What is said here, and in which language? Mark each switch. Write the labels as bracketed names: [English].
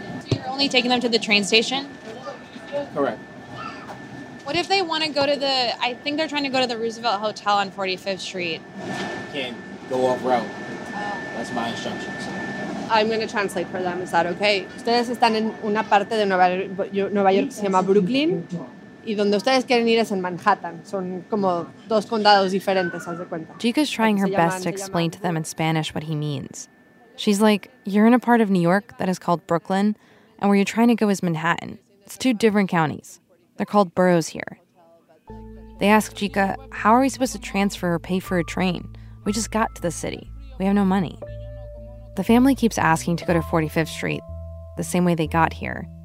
[English] So you're only taking them to the train station? Correct. What if they want to go to the... I think they're trying to go to the Roosevelt Hotel on 45th Street. Can't go off route. That's my instructions. I'm going to translate for them. Is that okay? [Spanish] Ustedes están en una parte de Nueva York que se llama Brooklyn. Y donde ustedes quieren ir es en Manhattan. Son como dos condados diferentes, haz de cuenta. [English] Chica's trying her best to explain to them in Spanish what he means. She's like, you're in a part of New York that is called Brooklyn, and where you're trying to go is Manhattan. It's two different counties. They're called boroughs here. They ask Chica, how are we supposed to transfer or pay for a train? We just got to the city. We have no money. The family keeps asking to go to 45th Street, the same way they got here.